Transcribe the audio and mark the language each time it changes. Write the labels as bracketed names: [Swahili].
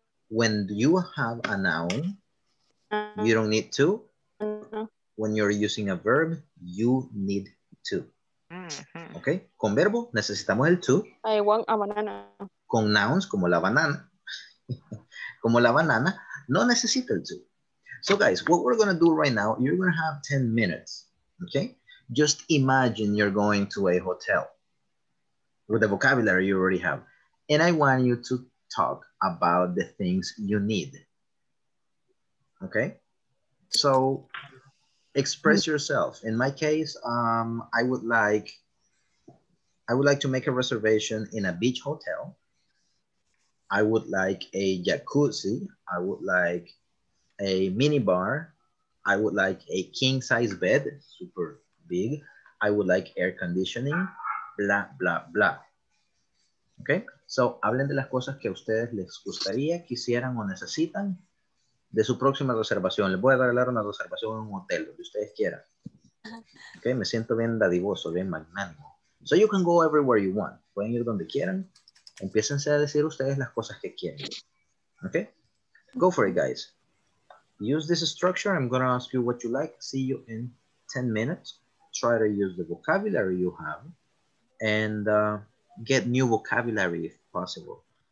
[English] When you have a noun, you don't need to. When you're using a verb, you need to. [Spanish] Okay, con verbo necesitamos el to. [English] I want a banana. [Spanish] Con nouns como la banana, como la banana, no necesita el to. [English] So guys, what we're going to do right now, you're going to have 10 minutes, okay? Just imagine you're going to a hotel with the vocabulary you already have. And I want you to talk about the things you need. Okay? So express yourself. In my case, I would like to make a reservation in a beach hotel. I would like a jacuzzi. I would like a mini bar. I would like a king size bed, super big. I would like air conditioning, blah, blah, blah. Okay? [Spanish] So, hablen de las cosas que a ustedes les gustaría, quisieran o necesitan. De su próxima reservación. Les voy a regalar una reservación en un hotel, donde ustedes quieran. Okay, me siento bien dadivoso, bien magnánimo. [English] So you can go everywhere you want. [Spanish] Pueden ir donde quieran. Empiecense a decir ustedes las cosas que quieren. [English] Okay? Go for it, guys. Use this structure. I'm going to ask you what you like. See you in 10 minutes. Try to use the vocabulary you have and get new vocabulary if possible.